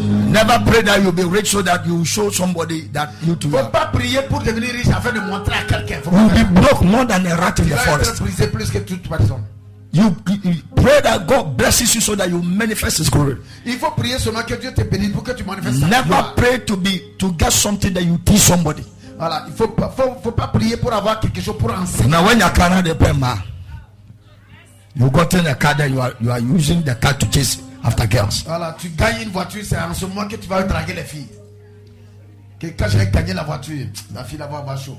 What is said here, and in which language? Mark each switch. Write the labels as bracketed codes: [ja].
[en] Never pray that you'll be rich so that you show somebody that you too are. [fr] Pas prier pour devenir riche afin de montrer à quelqu'un. [en] You'll be broke more than a rat in the forest. [fr] Plus que toute personne. [en] You pray that God blesses you so that you manifest His glory. [fr] Il faut prier seulement que Dieu te bénisse pour que tu manifestes. [en] Never pray to get something that you teach somebody. [fr] Voilà, il faut pas prier pour avoir quelque chose pour enseigner. [en] Now when your car has a problem, you got in a car that you are using the car to chase after girls. [fr] Voilà, tu gagnes une voiture, c'est en ce moment que tu vas draguer les filles. Que quand j'ai gagné la voiture, la fille là-bas va chaud.